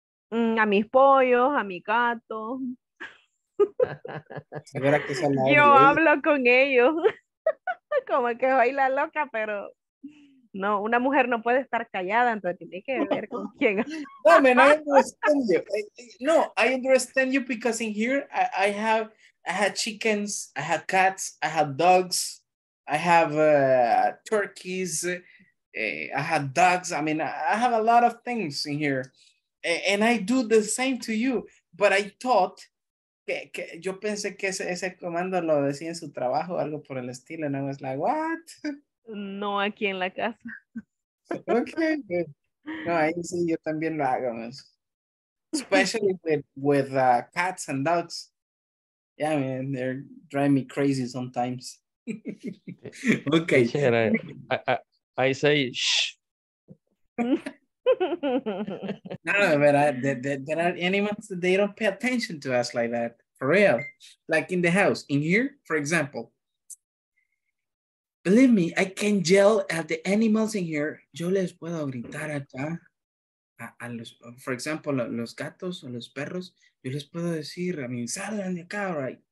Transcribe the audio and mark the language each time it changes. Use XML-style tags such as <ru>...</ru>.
<es>A mis pollos, a mi gato. Que son yo ellos. Hablo con ellos. Como que soy la loca, pero no, una mujer no puede estar callada, entonces tiene que ver con quién.</es> <en>No, man, I understand you. I understand you because in here I have chickens, I have cats, I have dogs. I have turkeys, I have dogs. I mean, I have a lot of things in here. And I do the same to you. But I thought,</en> <es>yo pensé que ese comando lo decía en su trabajo, algo por el estilo.</es> <en>And I was like, what?</en> <es>No, aquí en la casa. Okay. No, ahí sí, yo también lo hago.</es> <en>Especially with cats and dogs. Yeah, I mean, they're driving me crazy sometimes. Okay. I say shh. No, but there are animals that they don't pay attention to us like that, for real. Like in the house, in here, for example. Believe me, I can yell at the animals in here.</en> <es>Yo les puedo gritar acá a los,</es> <en>for example,</en> <es>los gatos o los perros. Yo les puedo decir,</es> <en>I mean,</en> <es>salgan de acá, right?</es>